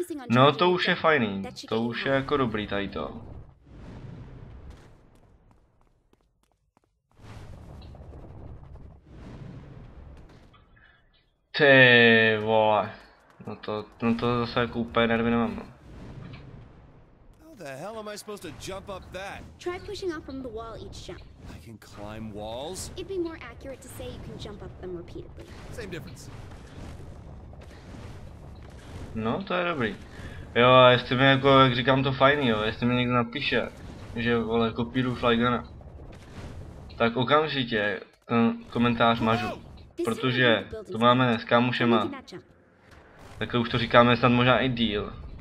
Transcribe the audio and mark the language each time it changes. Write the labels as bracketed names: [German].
[Czech] No to už je fajný, to už je jako dobrý tady to. Ty vole, no to zase jako úplně nervy nemám. [English] How the hell am I supposed to jump up that? Try pushing off from the wall each jump. I can climb walls? It'd be more accurate to say you can jump up them repeatedly. Same difference. [Czech] No, to je dobrý. Jo, a jestli mi jako, jak říkám, to fajný, jo, jestli mi někdo napíše, že vole, kopíru Flygana, tak okamžitě ten komentář mažu. Protože to máme s kámošema, tak už to říkáme snad možná i deal.